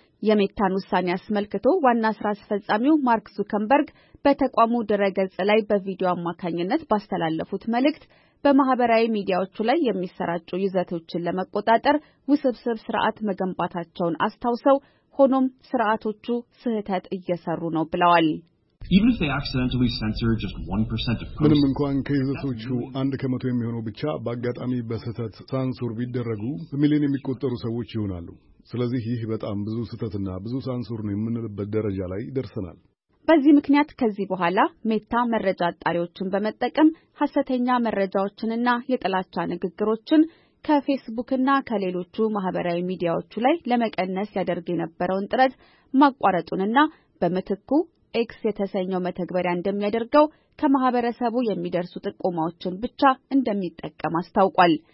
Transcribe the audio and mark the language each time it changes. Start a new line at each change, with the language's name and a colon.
Amharic: የሜታን ውሳኔ አስመልክቶ ዋና ስራ አስፈጻሚው ማርክ ዙከንበርግ በተቋሙ ድረገጽ ላይ በቪዲዮ አማካኝነት ባስተላለፉት መልእክት በማህበራዊ ሚዲያዎች ላይ የሚሰራጩ ይዘቶችን ለመቆጣጠር ውስብስብ ስርዓት መገንባታቸውን አስታውሰው ሆኖም ስርዓቶቹ ስህተት እየሰሩ ነው ብለዋል።
English: Even if they accidentally censor just 1% of posts,
Amharic: ምንም እንኳን ከይዘቶቹ 1% የሚሆነው ብቻ በአጋጣሚ በስህተት ሳንሱር ቢደረጉ በሚሊዮን የሚቆጠሩ ሰዎች ይሆናሉ። ስለዚህ ይህ በጣም ብዙ ስህተትና ብዙ ሳንሱር ነው የምንልበት ደረጃ ላይ ደርሰናል። በዚህ ምክንያት ከዚህ በኋላ ሜታ መረጃ አጣሪዎችን በመጠቀም ሐሰተኛ መረጃዎችንና የጥላቻ ንግግሮችን ከፌስቡክና ከሌሎቹ ማህበራዊ ሚዲያዎች ላይ ለመቀነስ ያደርግ የነበረውን ጥረት ማቋረጡንና በመተኩ ኤክስ የተሰኘው መተግበሪያ እንደሚያደርገው ከማህበረሰቡ የሚደርሱ ጥቆማዎችን ብቻ እንደሚጠቀም አስታውቋል።